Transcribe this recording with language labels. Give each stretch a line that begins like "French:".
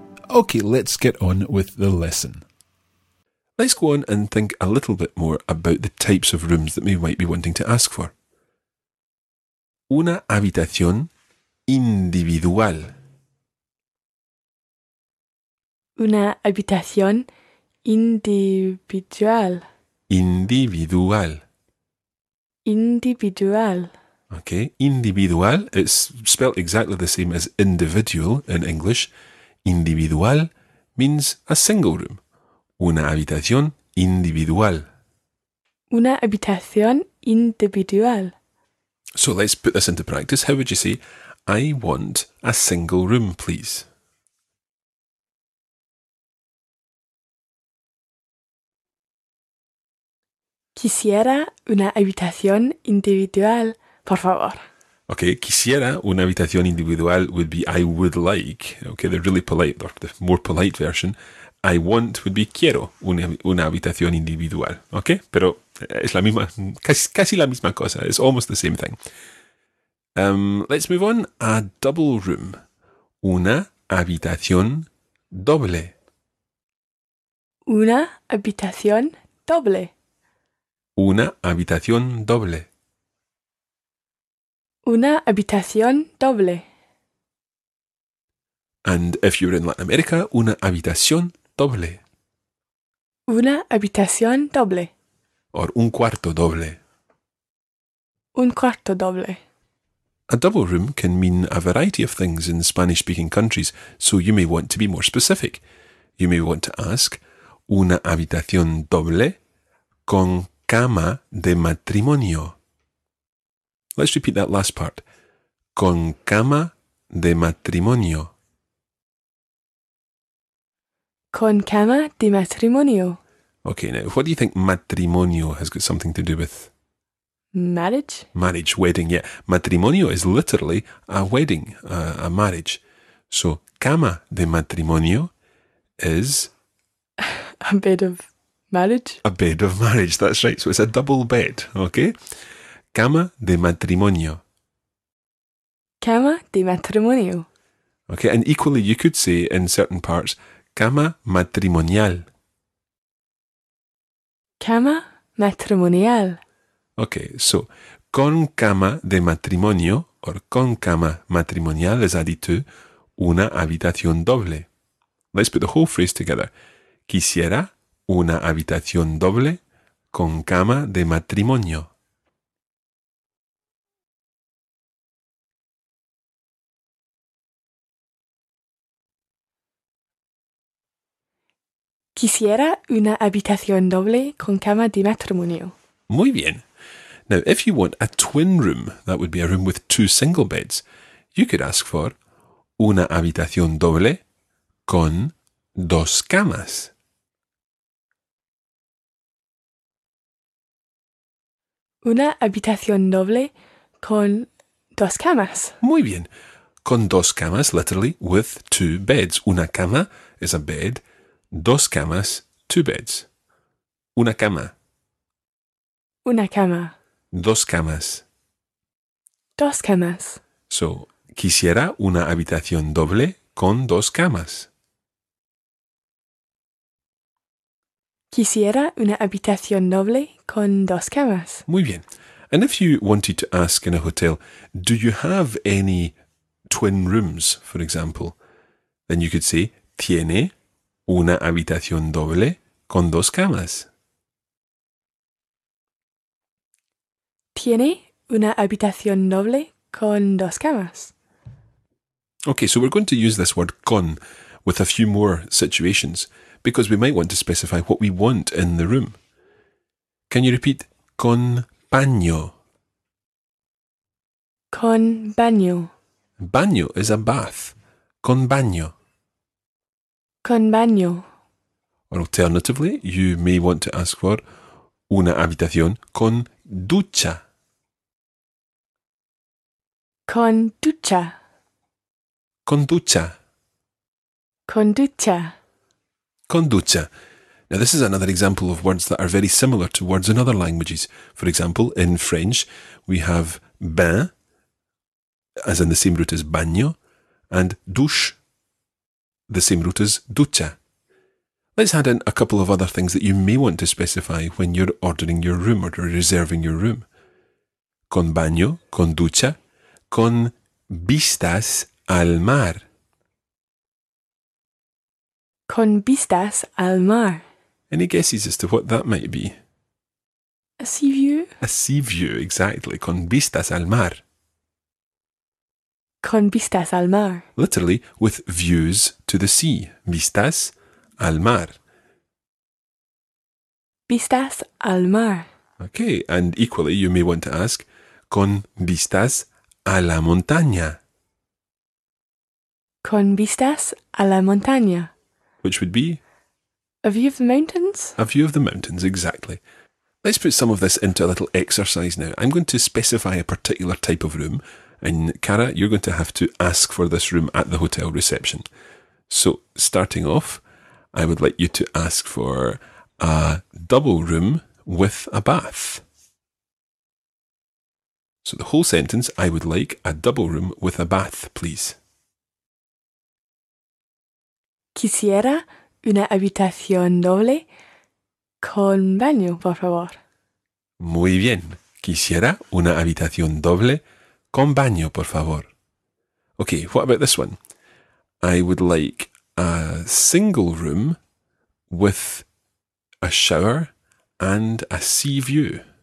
English: Okay, let's get on with the lesson. Let's go on and think a little bit more about the types of rooms that we might be wanting to ask for.
Spanish: Una habitación individual. Una habitación individual. Individual. Individual.
English: Okay, individual. It's spelled exactly the same as individual in English. Individual means a single room.
Spanish: Una habitación individual. Una habitación individual.
English: So let's put this into practice. How would you say, I want a single room, please?
Spanish: Quisiera una habitación individual, por favor.
English: Okay,
Spanish: quisiera una habitación individual
English: would be I would like. Okay, they're really polite, or the more polite version. I want would be
Spanish: quiero una habitación individual. Okay, pero es la misma, casi la misma cosa.
English: It's almost the same thing. Let's move on. A double room.
Spanish: Una habitación doble. Una habitación doble. Una habitación doble. Una habitación doble.
English: And if you're in Latin America,
Spanish: una habitación doble. Una habitación doble. Or un cuarto doble. Un cuarto doble.
English: A double room can mean a variety of things in Spanish-speaking countries, so you may want to be more specific. You may want to ask,
Spanish: una habitación doble con cama de matrimonio.
English: Let's repeat that last part.
Spanish: Con cama de matrimonio. Con cama de matrimonio.
English: Okay, now, what do you think matrimonio has got something to do with? Marriage? Marriage, wedding, yeah. Matrimonio is literally a wedding, a marriage. So,
Spanish: cama de matrimonio
English: is... a bed of marriage. A bed of marriage, that's right. So, it's a double bed, okay?
Spanish: Cama de matrimonio. Cama de matrimonio.
English: Okay, and equally, you could say in certain parts...
Spanish: cama matrimonial. Cama matrimonial.
English: Okay, so
Spanish: con cama de matrimonio
English: or
Spanish: con cama matrimonial
English: is added to
Spanish: una habitación doble.
English: Let's put the whole phrase together.
Spanish: Quisiera una habitación doble con cama de matrimonio. Quisiera una habitación doble con cama de matrimonio. Muy bien.
English: Now, if you want a twin room, that would be a room with two single beds, you could ask for
Spanish: una habitación doble con dos camas. Una habitación doble con dos camas. Muy bien. Con dos camas,
English: literally, with two beds.
Spanish: Una cama
English: is a bed.
Spanish: Dos camas,
English: two beds.
Spanish: Una cama. Una cama. Dos camas. Dos camas. So, quisiera una habitación doble con dos camas. Quisiera una habitación doble con dos camas. Muy bien.
English: And if you wanted to ask in a hotel, do you have any twin rooms, for example? Then you could say, tiene...
Spanish: una habitación doble con dos camas. Tiene una habitación doble con dos camas.
English: Okay, so we're going to use this word con with a few more situations because we might want to specify what we want in the room. Can you repeat
Spanish: con baño? Con baño.
English: Baño is a bath.
Spanish: Con baño. Con baño.
English: Or alternatively, you may want to ask for
Spanish: una habitación con ducha. Conducha. Conducha. Conducha. Conducha.
English: Now, this is another example of words that are very similar to words in other languages. For example, in French, we have bain, as in the same root as bagno, and douche, the same root as ducha. Let's add in a couple of other things that you may want to specify when you're ordering your room or reserving your room.
Spanish: Con baño, con ducha, con vistas al mar. Con vistas al mar.
English: Any guesses as to what that might be? A sea view? A sea view, exactly.
Spanish: Con vistas al mar. Con vistas al mar.
English: Literally, with views to the sea.
Spanish: Vistas al mar. Vistas al mar.
English: Okay, and equally you may want to ask,
Spanish: con vistas a la montaña. Con vistas a la montaña.
English: Which would be? A view of the mountains. A view of the mountains, exactly. Let's put some of this into a little exercise now. I'm going to specify a particular type of room, and Cara, you're going to have to ask for this room at the hotel reception. So, starting off, I would like you to ask for a double room with a bath. So the whole sentence, I would like a double room with a bath, please.
Spanish: Quisiera una habitación doble con baño, por favor. Muy bien. Quisiera una habitación doble con baño, por favor.
English: Okay, what about this one? I would like a single room with a shower and a sea view.